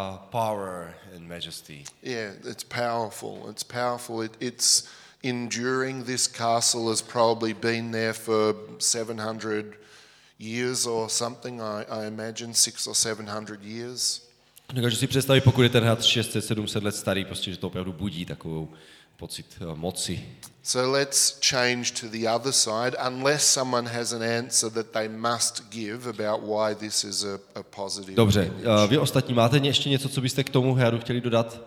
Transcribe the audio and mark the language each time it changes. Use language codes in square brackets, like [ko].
[en] Power and majesty. Yeah, it's powerful. It's powerful. It's enduring. This castle has probably been there for 700 years or something, I imagine, 600 or 700 years. [cs] Dokážu si představit, pokud je ten had 600-700 let starý, prostě že to opravdu budí takovou pocit moci. [en] So let's change to the other side, unless someone has an answer that they must give about why this is a positive. [cs] Dobře, vy ostatní máte ještě něco, co byste k tomu hradu chtěli dodat?